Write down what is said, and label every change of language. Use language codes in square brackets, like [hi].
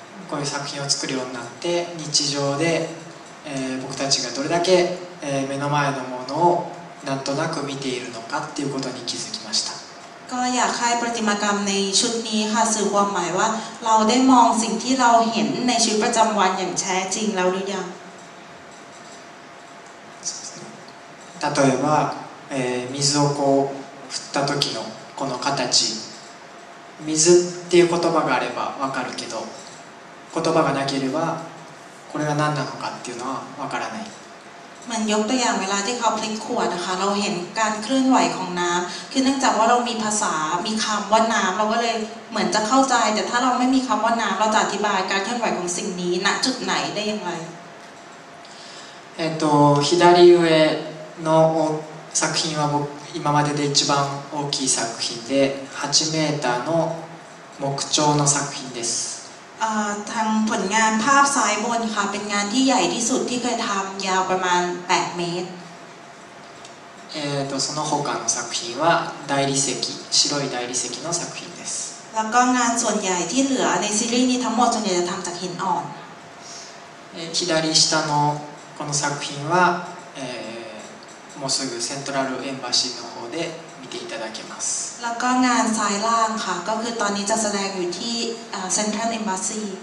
[ja] こういう作品を作るようになって日常で僕たちがどれだけ目の前のものをなんとなく見ているのかっていうことに気づきました。 [th] ก็อยากให้ประติมากรรมในชุดนี้ค่ะสื่อความหมายว่าเราได้มองสิ่งที่เราเห็นในชีวิตประจำวันอย่างแท้จริงแล้วหรือยัง [ja] 例えば水をこう振った時のこの形、水っていう言葉があればわかるけど言葉がなければこれが何なのかっていうのはわからない。 [th] มันยกตัวอย่างเวลาที่เขาพลิกขวดนะคะเราเห็นการเคลื่อนไหวของน้ำคือเนื่องจากว่าเรามีภาษามีคำว่าน้ำเราก็เลยเหมือนจะเข้าใจแต่ถ้าเราไม่มีคำว่าน้ำเราจะอธิบายการเคลื่อนไหวของสิ่งนี้ณจุดไหนได้อย่างไร [ja] 左上の作品は僕今までで一番大きい作品で8メーターの木彫の作品です。 [th] ทำผลงานภาพซ้ายบนค่ะเป็นงานที่ใหญ่ที่สุดที่เคยทำยาวประมาณ8เมตร [ja] その他の作品は大理石白い大理石の作品です。 [th] แล้วก็งานส่วนใหญ่ที่เหลือในซีรีส์นี้ทั้งหมดส่วนใหญ่จะทำจากหินอ่อน [ja] 左下のこの作品はえーもうすぐセントラルエンバシーの方で見ていただけます。 [th] แล้วก็งานซ้ายล่างค่ะก็คือตอนนี้จะแสดงอยู่ที่เซ็นทรัลเอมบาซี